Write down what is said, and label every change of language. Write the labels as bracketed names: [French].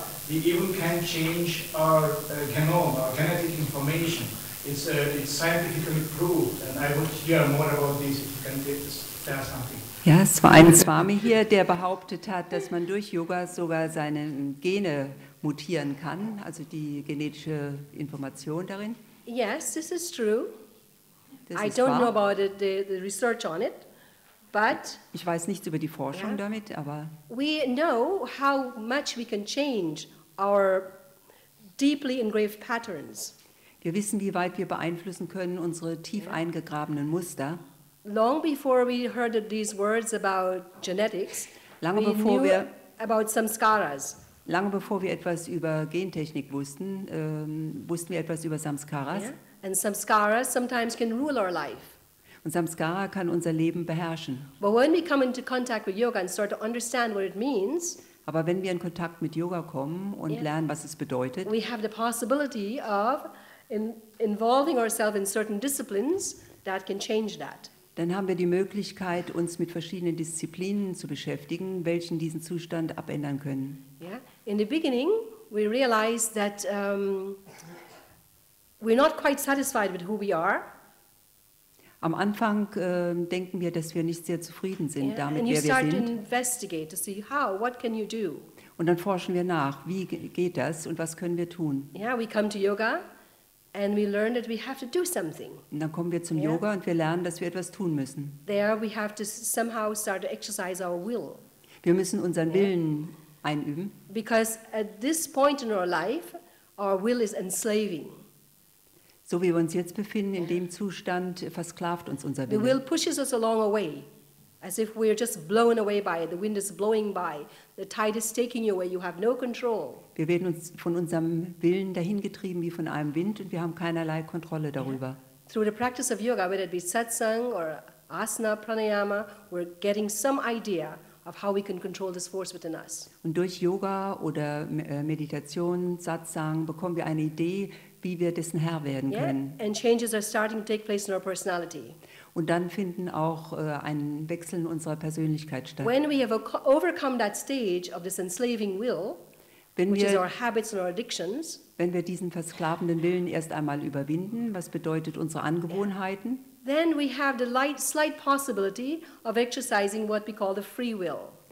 [English] We even can change our genome, our genetic information. It's scientifically proved, and I would hear more about this if you can tell something. [German] Ja, es war ein Swami hier, der behauptet hat, dass man durch Yoga sogar seine Gene mutieren kann, also die genetische Information darin. [English] Yes, this is true. I don't know about the research on it. But [German] ich weiß nichts über die Forschung damit, aber [English] we know how much we can change our deeply engraved patterns. [German] Wir wissen, wie weit wir beeinflussen können unsere tief eingegrabenen Muster. [English] Long before we heard these words about genetics, [German] lange [English] we [German] bevor [English] knew [German] wir [English] about samskaras. [German] Lange bevor wir etwas über Gentechnik wussten, wussten wir etwas über Samskaras. [English] Yeah. And samskaras sometimes can rule our life. [German] Und Samskara kann unser Leben beherrschen. [English] But when we come into contact with yoga and start to understand what it means, [German] aber wenn wir in Kontakt mit Yoga kommen und lernen, was es bedeutet, [English] we have the possibility of involving ourselves in certain disciplines that can change that. [German] Dann haben wir die Möglichkeit, uns mit verschiedenen Disziplinen zu beschäftigen, welchen diesen Zustand abändern können. [English] Yeah. In the beginning, we realize that we're not quite satisfied with who we are. [German] Am Anfang denken wir, dass wir nicht sehr zufrieden sind damit, wer wir sind. [English] Investigate to see how, what can you do? [German] Und dann forschen wir nach, wie geht das und was können wir tun? [English] Yeah, we come to yoga and we learn that we have to do something. [German] Und dann kommen wir zum Yoga und wir lernen, dass wir etwas tun müssen. [English] There we have to somehow start to exercise our will. [German] Wir müssen unseren Willen einüben. [English] Because at this point in our life, our will is enslaving. [German] So wie wir uns jetzt befinden, in dem Zustand, versklavt uns unser Wille. [English] The will pushes us along a way. As if we're just blown away by it. The wind is blowing by. The tide is taking you away. You have no control. [German] Wir werden uns von unserem Willen dahingetrieben wie von einem Wind und wir haben keinerlei Kontrolle darüber. [English] Yeah. Through the practice of yoga, whether it be satsang or asana, pranayama, we're getting some idea of how we can control this force within us. [German] Und durch Yoga oder Meditation, Satsang, bekommen wir eine Idee, wie wir dessen Herr werden können. [English] Yeah? And changes are starting to take place in our personality. [German] Und dann finden auch ein Wechseln unserer Persönlichkeit statt. [English] When we have overcome that stage of this enslaving will, which is our habits and our addictions, [German] wenn wir diesen versklavenden Willen erst einmal überwinden, was bedeutet unsere Angewohnheiten? [English] Then we have the slight possibility of exercising what we call the free will.